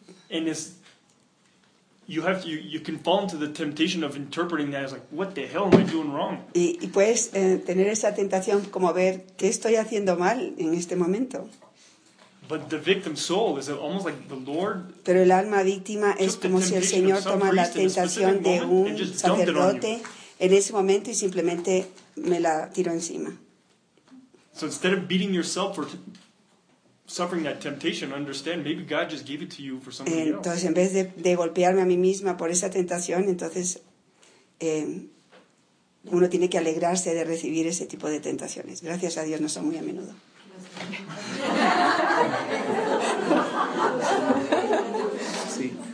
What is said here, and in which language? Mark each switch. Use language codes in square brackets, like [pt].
[en] And it's, you have to, you can fall into the temptation of interpreting that as like, what the hell am I doing wrong? [es] Y puedes tener esa tentación como ver qué estoy haciendo mal en este momento. [en] But the victim's soul is almost like the Lord. [es] Pero el alma víctima es como si el Señor toma la tentación de un sacerdote en ese momento y simplemente me la tiró encima. [en] So instead of beating yourself for suffering that temptation, understand maybe God just gave it to you for somebody else. [es] Entonces, en vez de golpearme a mí misma por esa tentación, entonces uno tiene que alegrarse de recibir ese tipo de tentaciones. Gracias a Dios no son muy a menudo. Sí.